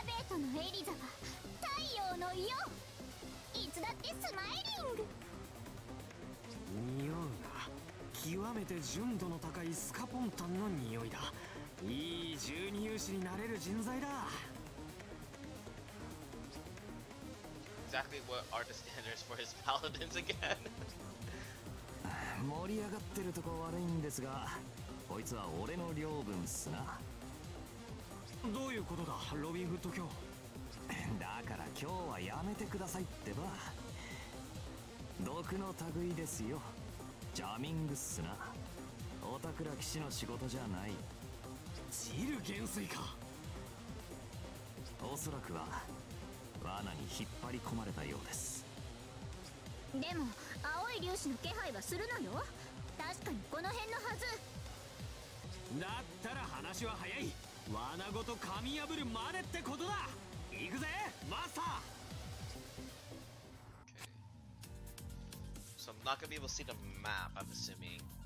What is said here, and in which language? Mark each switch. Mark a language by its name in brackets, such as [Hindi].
[Japanese] そのエリザは太陽の世、いつだってスマイリング。匂うな、極めて純度の高いスカポンタンの匂いだ。いい十二勇士になれる人材だ。 [English] Exactly what are the standards for his paladins again? [Japanese] 盛り上がってるとこ悪いんですが、こいつは俺の領分っすな。どういうことだロビンフッド卿。だから今日はやめてくださいってば。毒の類ですよ、ジャミングっすな。オタクラ騎士の仕事じゃない。チル元帥か。おそらくは罠に引っ張り込まれたようです。でも青い粒子の気配はするのよ。確かにこの辺のはず。だったら話は早い、罠ごと噛み破るまでってことだ。行くぜマスター。 [English] So I'm not gonna be able to see the map, I'm assuming.